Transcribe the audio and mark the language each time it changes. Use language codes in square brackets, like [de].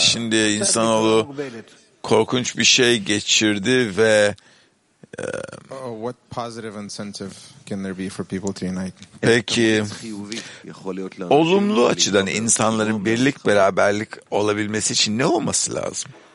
[tr] Şimdi insanoğlu korkunç bir şey geçirdi ve [en] what positive incentive can there be for people to unite? [tr] Peki olumlu açıdan insanların birlik beraberlik olabilmesi için ne olması lazım?